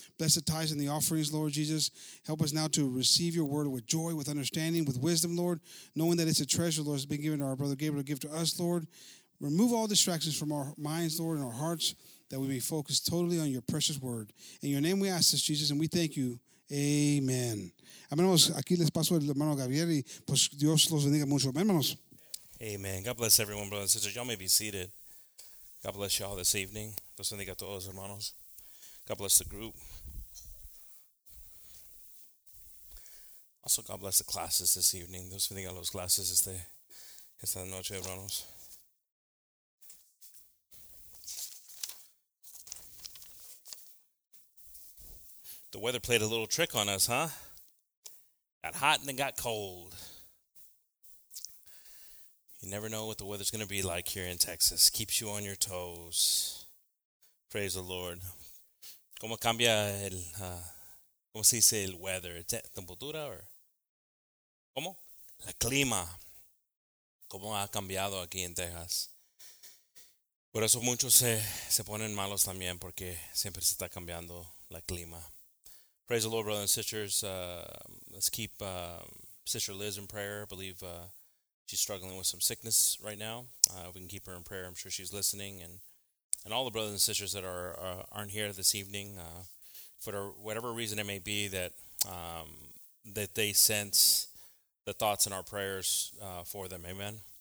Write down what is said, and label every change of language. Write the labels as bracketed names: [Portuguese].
[English] Bless the tithes and the offerings, Lord Jesus. Help us now to receive your word with joy, with understanding, with wisdom, Lord, knowing that it's a treasure, Lord, that's been given to our brother Gabriel to give to us, Lord. Remove all distractions from our minds, Lord, and our hearts, that we may focus totally on your precious word. In your name we ask this, Jesus, and we thank you. Amen. [Spanish] Hermanos, aquí les paso el hermano Gabriel y pues Dios los bendiga mucho. Hermanos. Amen. [English] God bless everyone, brothers and sisters. Y'all may be seated. God bless y'all this evening. [Spanish] Dios bendiga a todos, hermanos. [English] God bless the group. Also, God bless the classes this evening. [Spanish] Dios bendiga a los clases esta noche, hermanos. [English] The weather played a little trick on us, huh? Got hot and then got cold. You never know what the weather's going to be like here in Texas. Keeps you on your toes. Praise the Lord. [Spanish] ¿Cómo cambia el, cómo se dice el weather? ¿Temperatura o? ¿Cómo? La clima. ¿Cómo ha cambiado aquí en Texas? Por eso muchos se ponen malos también porque siempre se está cambiando la clima. [English] Praise the Lord, brothers and sisters. Let's keep Sister Liz in prayer. I believe she's struggling with some sickness right now. We can keep her in prayer. I'm sure she's listening. And all the brothers and sisters that aren't here this evening, for whatever reason it may be that that they sense the thoughts in our prayers for them. Amen.